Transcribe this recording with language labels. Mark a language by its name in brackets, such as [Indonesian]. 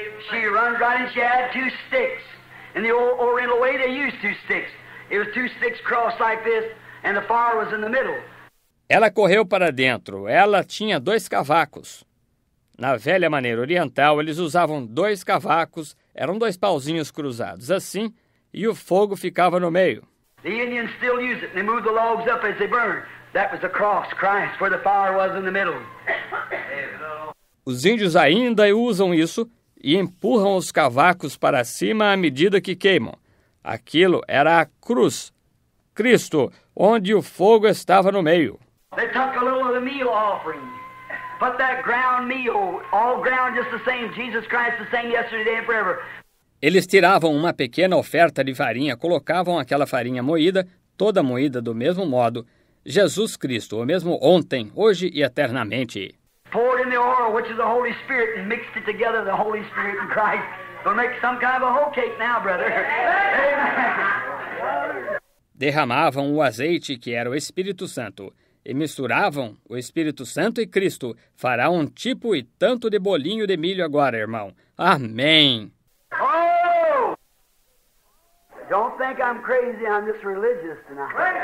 [English] She runs right and she had two sticks. In the old Oriental way, they used two sticks. It was two sticks crossed like this, and the fire was in the middle. [Portuguese] Ela correu para dentro. Ela tinha dois cavacos. Na velha maneira oriental, eles usavam dois cavacos. Eram dois pauzinhos cruzados, assim, e o fogo ficava no meio. [English] The Indians still use it. They move the logs up as they burn. That was the cross, Christ, where the fire was in the middle. [Portuguese] Os índios ainda usam isso e empurram os cavacos para cima à medida que queimam. Aquilo era a cruz, Cristo, onde o fogo estava no meio. [English] They took a little of the meal offering. Put that ground meal, all ground just the same, Jesus Christ the same yesterday and forever. [Portuguese] Eles tiravam uma pequena oferta de farinha, colocavam aquela farinha moída, toda moída do mesmo modo. Jesus Cristo, o mesmo ontem, hoje e eternamente. [English] Poured in the oil, which is the Holy Spirit, and mixed it together, the Holy Spirit and Christ. We'll make some kind of a whole cake now, brother. Amen. [Portuguese] Derramavam o azeite, que era o Espírito Santo, e misturavam o Espírito Santo e Cristo. Fará um tipo e tanto de bolinho de milho agora, irmão. Amém! Oh! [English] Don't think I'm crazy, I'm just religious tonight.